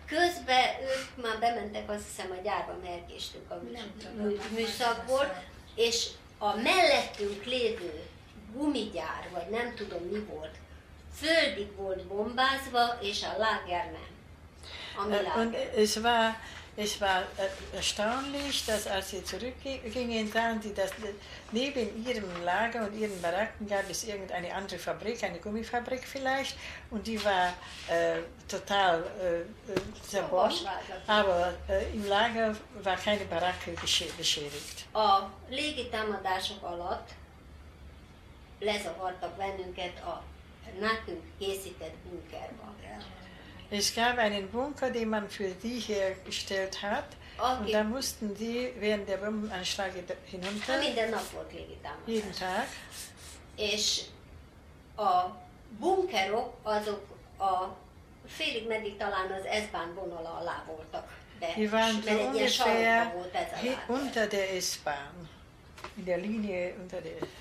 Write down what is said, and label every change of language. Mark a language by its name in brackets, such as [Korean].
[Hungarian] Közben ők már bementek, azt hiszem, a gyárba mergéstük, ami műszak volt, és a mellettünk lévő gumigyár, vagy nem tudom mi volt, földig volt bombázva, és a láger nem. [German] Und es war erstaunlich, dass als sie zurückgingen, sahen sie, dass neben ihrem Lager und ihren Baracken gab es irgendeine andere Fabrik, eine Gummifabrik vielleicht, und die war total zerbombt. So, aber im Lager war keine Baracke beschädigt. [Hungarian] A légitámadások alatt lezavartak bennünket a nekünk készített bunkerba. [German] Es gab einen Bunker, den man für sie hergestellt hat. Okay. Und da mussten sie während der Bombenanschläge hinunter. Jeden Tag. [Hungarian] És a bunkerok azok a félig meddig talán az S-Bahn vonala alá voltak. [German] Die waren so ungefähr unter der S-Bahn. In der Linie unter der S-Bahn.